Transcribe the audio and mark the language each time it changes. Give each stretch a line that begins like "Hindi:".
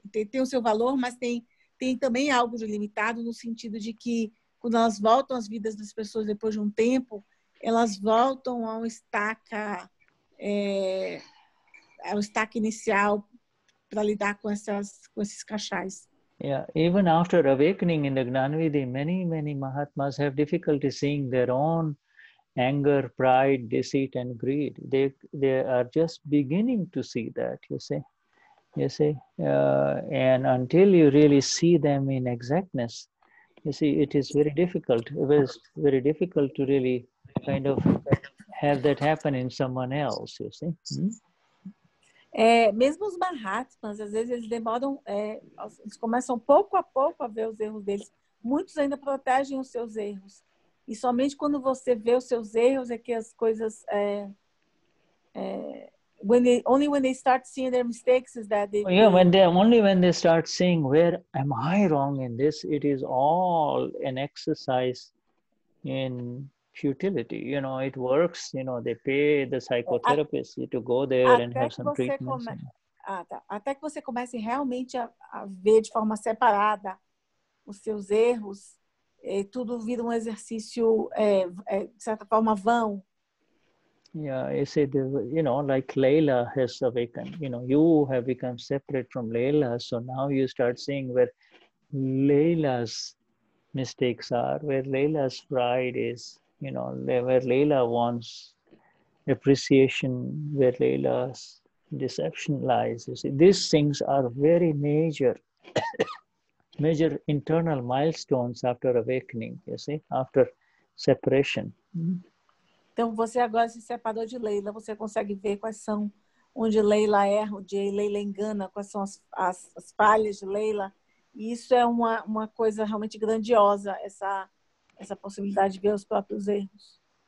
Portuguese: tem o seu valor, mas tem também algo de limitado, no sentido de que quando elas voltam às vidas das pessoas depois de um tempo, elas voltam a um estaca, ao estaca inicial para lidar com esses cachais.
English: Yeah, even after awakening in the Gnanavidhi, many, many Mahatmas have difficulty seeing their own anger, pride, deceit and greed. They are just beginning to see that, you see. And until you really see them in exactness, you see, it is very difficult. It was very difficult to really kind of have that happen in someone else, you see. Hmm?
Portuguese: Mesmo os Mahatmas, às vezes eles demoram, eles começam pouco a pouco a ver os erros deles. Muitos ainda protegem os seus erros. E somente quando você vê os seus erros é que as coisas...
English: only when they start seeing their mistakes is that they... When they start seeing, where am I wrong in this? It is all an exercise in futility, you know, it works, you know, they pay the psychotherapist to go there and have some treatment.
Portuguese: Até que você comece realmente a ver de forma separada os seus erros, tudo vira um exercício, de certa forma, vão.
English: Yeah, you see, you know, like Layla has awakened, you know, you have become separate from Layla, so now you start seeing where Layla's mistakes are, where Layla's pride is. You know, where Layla wants appreciation, where Layla's deception lies. You see, these things are very major, major internal milestones after awakening, you see, after separation.
Portuguese: Então, você agora se separou de Layla, você consegue ver quais são, onde Layla erra, onde Layla engana, quais são as falhas de Layla. E isso é uma coisa realmente grandiosa, essa possibilidade de ver os próprios erros.